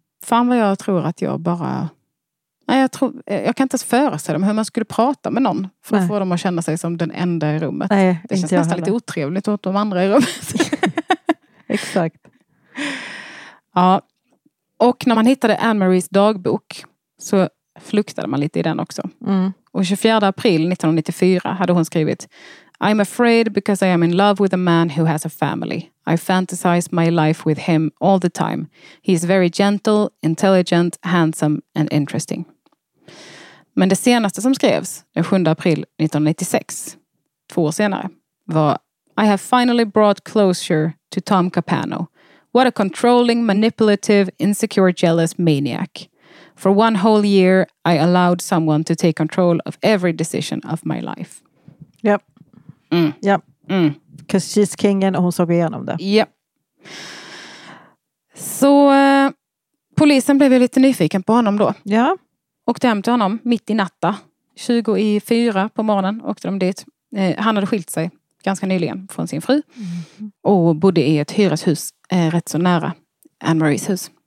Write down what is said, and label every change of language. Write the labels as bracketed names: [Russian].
[Swedish] Fan vad jag tror att jag bara... Nej, jag kan inte ens föreställa dem hur man skulle prata med någon. För att få dem att känna sig som den enda i rummet. Nej, det känns nästan lite otrevligt åt de andra i rummet. Exakt. Ja, och när man hittade Anne-Maries dagbok så fluktade man lite i den också. Mm. Och 24 april 1994 hade hon skrivit: [English] "I'm afraid because I am in love with a man who has a family. I fantasize my life with him all the time. He is very gentle, intelligent, handsome and interesting." [Swedish] Men det senaste som skrevs, den 7 april 1996, 2 år senare, var: [English] "I have finally brought closure to Tom Capano. What a controlling, manipulative, insecure, jealous maniac. For one whole year, I allowed someone to take control of every decision of my life." Yep. Mm. Yep. Mm. Because she's [Swedish] kingen och hon såg igenom det. [English] Yep. [Swedish] Så polisen blev ju lite nyfiken på honom då. Ja. Åkte hem till honom mitt i natta. 4:20 på morgonen åkte de dit. Han hade skilt sig ganska nyligen från sin fru. Mm. Och bodde i ett hyreshus rätt så nära Anne-Maries hus.